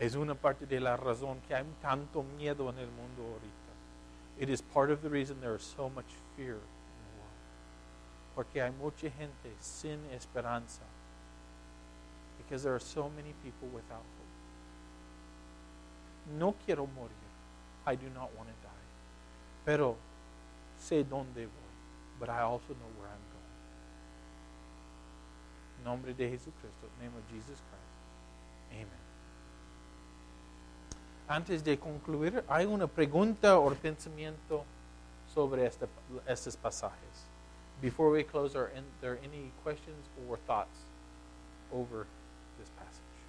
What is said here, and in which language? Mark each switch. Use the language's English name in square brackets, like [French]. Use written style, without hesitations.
[Spanish] Es una parte de la razón que hay tanto miedo en el mundo ahorita. [English] It is part of the reason there is so much fear in the world. [Spanish] Porque hay mucha gente sin esperanza. [English] Because there are so many people without hope. [Spanish] No quiero morir. [English] I do not want to die. [Spanish] Pero sé dónde voy. [English] But I also know where I'm going. In the name of Jesus Christ, in the name of Jesus Christ. Amen. [Spanish] Antes de concluir, hay una pregunta o pensamiento sobre estos pasajes. [English] Before we close, are there any questions or thoughts over this passage?